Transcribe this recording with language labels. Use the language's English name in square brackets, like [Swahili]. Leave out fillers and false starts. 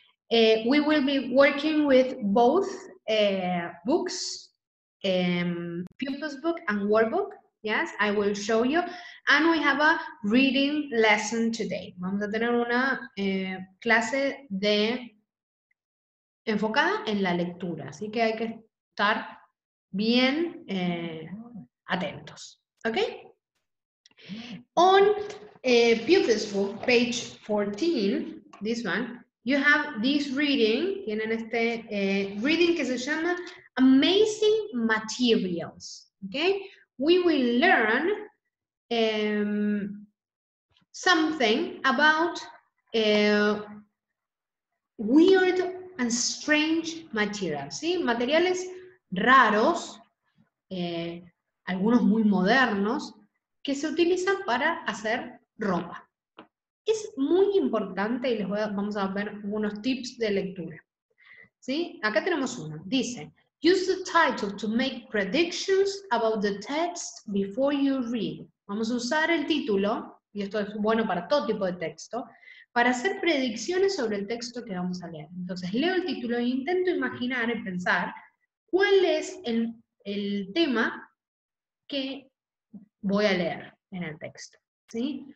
[English] We will be working with both books, pupils book and workbook. Yes, I will show you. And we have a reading lesson today. [Spanish] Vamos a tener una clase de enfocada en la lectura. Así que hay que estar bien atentos. [English] Okay, on pupils book, page 14, this one, you have this reading, [Spanish] tienen este reading que se llama [English] Amazing Materials, okay? We will learn something about weird and strange materials, ¿sí? [Spanish] Materiales raros, algunos muy modernos, que se utilizan para hacer ropa. Es muy importante, y vamos a ver unos tips de lectura. ¿Sí? Acá tenemos uno. [English] Dice, use the title to make predictions about the text before you read. [Spanish] Vamos a usar el título, y esto es bueno para todo tipo de texto, para hacer predicciones sobre el texto que vamos a leer. Entonces, leo el título e intento imaginar y pensar cuál es el tema que voy a leer en el texto, ¿sí?